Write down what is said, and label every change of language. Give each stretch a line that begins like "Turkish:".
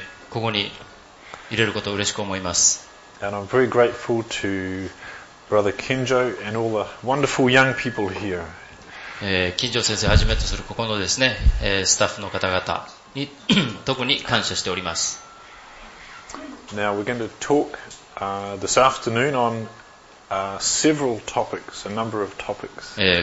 Japanese: ここにいれることを嬉しく思います。
English: And I'm very grateful to Brother Kinjo and all the wonderful young people here.
Japanese: Kinjo 先生はじめとするここのですね、スタッフの方々に特に感謝しております。
English: Now we're going to talk this afternoon on several topics, a number of topics.